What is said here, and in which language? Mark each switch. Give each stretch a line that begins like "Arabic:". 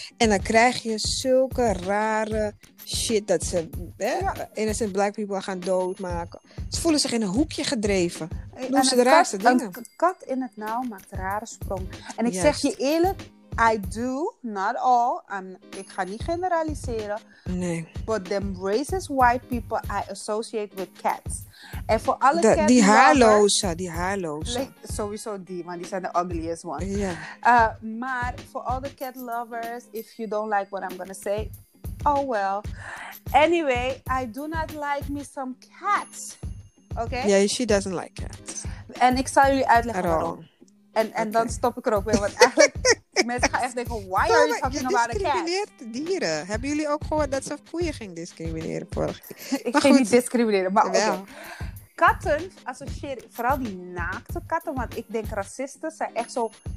Dutch: En dan krijg je zulke rare shit dat ze
English: innocent black people
Dutch: gaan doodmaken. Ze voelen zich in een hoekje gedreven. Doen ze de raarste dingen. Een kat in het nauw maakt rare sprongen. En ik zeg je eerlijk,
English: I do, not all.
Dutch: Ik ga niet generaliseren. Nee.
English: But them racist white people I associate with cats.
Dutch: En voor alle cats... Die haarloze.
English: Like,
Dutch: sowieso die, want die zijn de
English: ugliest ones.
Dutch: Maar voor
English: all the cat lovers, if you don't like what I'm gonna say, oh well. Anyway, I do not like me some cats. Okay? Yeah, she doesn't like cats.
Dutch: En ik zal jullie uitleggen waarom. En dan stop ik er ook weer, want eigenlijk... Mensen gaan echt denken,
English: why are you talking about a cat?
Dutch: Je discrimineert dieren. Hebben jullie ook gehoord dat ze koeien ging discrimineren? Ik ging niet discrimineren, maar oké. Katten associëren, vooral die naakte katten, want ik denk racisten zijn echt zo...